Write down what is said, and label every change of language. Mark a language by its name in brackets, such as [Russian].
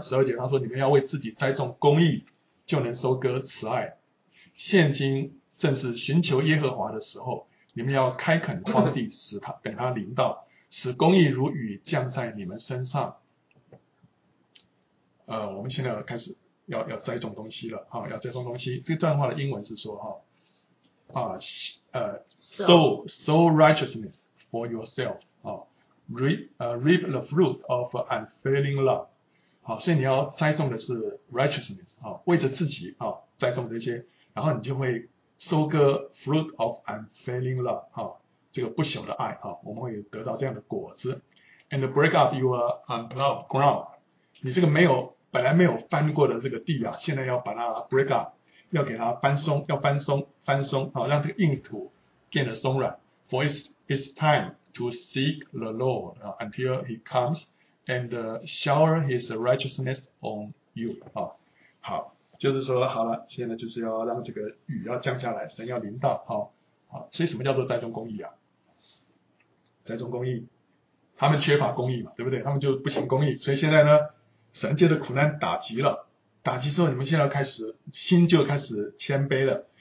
[Chinese] 十二节他说你们要为自己栽种公义，就能收割慈爱。现今正是寻求耶和华的时候，你们要开垦荒地，使他等他临到，使公义如雨降在你们身上。我们现在开始要栽种东西了，要栽种东西。这段话的英文是说 [English] sow righteousness for yourself, reap the fruit of unfailing love. [Chinese] 好，所以你要栽种的是 righteousness, 为着自己栽种这些，然后你就会收割 [English] fruit of unfailing love, [Chinese] 这个不朽的爱，我们会得到这样的果子。 [English] And break up your unplowed ground. [Chinese] 你这个本来没有翻过的这个地啊，现在要把它 [English] break up, [Chinese] 要给它翻松，要翻松，翻松，让这个硬土变得松软。 [English] For it's time to seek the Lord until He comes and shower His righteousness on you. [Chinese] 好，就是说好了，现在就是要让这个雨要降下来，神要临到。所以什么叫做栽种公义啊？栽种公义，他们缺乏公义嘛，对不对？他们就不行公义，所以现在呢，神借着苦难打击了。打击之后，你们现在开始心就开始谦卑了。